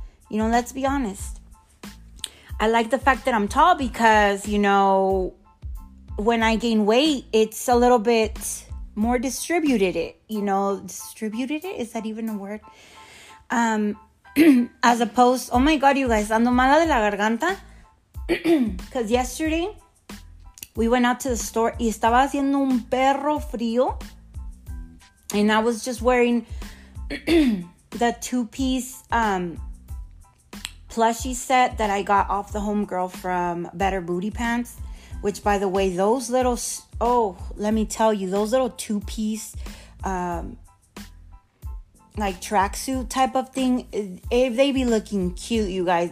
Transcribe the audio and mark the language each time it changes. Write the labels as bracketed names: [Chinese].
[English] You know, let's be honest. I like the fact that I'm tall because, you know, when I gain weight, it's a little bit more distributed. Is that even a word? as opposed, oh my God, you guys, [Spanish] ando mala de la garganta. [English] Because yesterday, we went out to the store [Spanish] y estaba haciendo un perro frío. [English] And I was just wearing the two-piece plushie set that I got off the homegirl from Better Booty Pants. Which, by the way, those little, let me tell you, those little two-piece like tracksuit type of thing, they be looking cute, you guys.